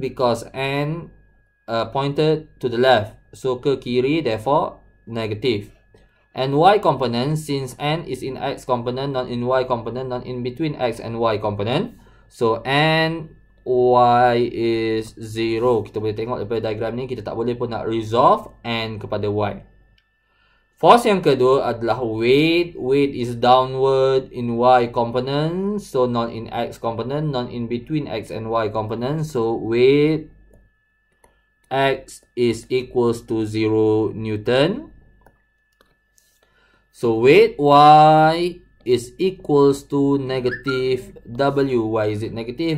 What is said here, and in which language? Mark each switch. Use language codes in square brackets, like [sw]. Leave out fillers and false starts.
[en] Because n pointed to the left, so [ms] ke kiri, [en] therefore negative. And y component, since n is in x component, not in y component, not in between x and y component, so n y is 0. [ms] Kita boleh tengok daripada diagram ni, kita tak boleh pun nak resolve n kepada y. Force yang kedua adalah weight. [en] Weight is downward in y component, so not in x component, not in between x and y component. So weight x is equals to 0 newton. So weight y is equals to negative w. Why is it negative?